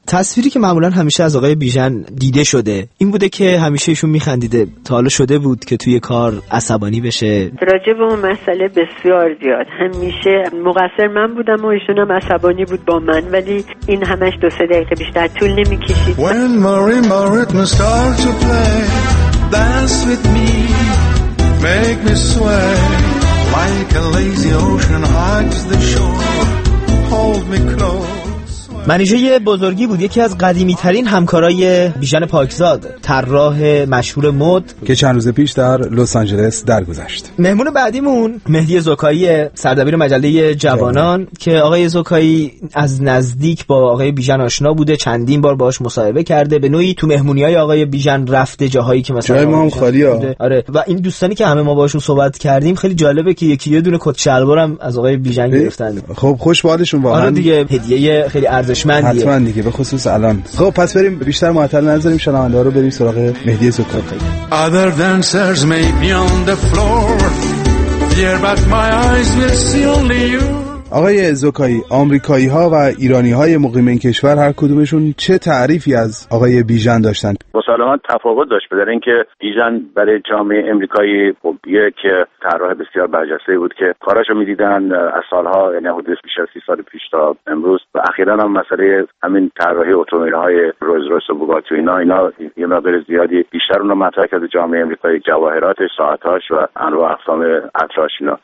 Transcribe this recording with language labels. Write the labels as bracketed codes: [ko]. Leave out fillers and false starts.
[fa] تصویری که معمولا همیشه از آقای بیژن دیده شده این بوده که همیشه ایشون میخندیده. تا حالا شده بود که توی کار عصبانی بشه؟ راجع به اون مسئله بسیار زیاد، همیشه مقصر من بودم و ایشون هم عصبانی بود با من، ولی این همش 2-3 دقیقه بیشتر طول نمیکشید. [en] When marimba rhythm start to play, dance with me, make me sway. Like a lazy ocean hugs the shore, hold me close. [fa] منیژه بزرگی بود، یکی از قدیمی ترین همکارای بیژن پاکزاد، طراح مشهور مد که چند روز پیش در لس آنجلس درگذشت. مهمون بعدیمون مهدی زوکایی، سردبیر مجله جوانان، که آقای زوکایی از نزدیک با آقای بیژن آشنا بوده، چندین بار باهاش مصاحبه کرده، به نوعی تو مهمونی‌های آقای بیژن رفته، جاهایی که مثلا جای ما هم خالی بوده. آره، و این دوستانی که همه ما باهاشون صحبت کردیم، خیلی جالبه که یکی یه دونه کت شلوارم از آقای بیژن گرفتن. خب خوش بادشون واقعا. آره دیگه، هدیه خیلی ارزشمندیه. حتما دیگه، به خصوص الان. خب پس بریم بیشتر معطل نذاریم شنوندا رو، بریم سراغ مهدی زوکر. [en] Other dancers may be on the floor here but my eyes will see only you. [fa] آقای زوکایی، آمریکایی‌ها و ایرانی‌های مقیم این کشور هر کدومشون چه تعریفی از آقای بیژن داشتن؟ مسلماً تفاوت داشت، به دلیل اینکه بیژن برای جامعه آمریکایی خب یک طراح بسیار برجسته بود که کاراشو می‌دیدن از سال‌ها، یعنی حدود 30 سال پیش تا امروز، و اخیراً هم مسئله همین طراحی اتومبیل‌های رولز‌رویس و بوگاتی و اینا یه مقدار زیادی بیشتر اونو مطرح کرده جامعه آمریکایی، جواهراتش، ساعت‌هاش و انواع اقسام اطلاعش اینا.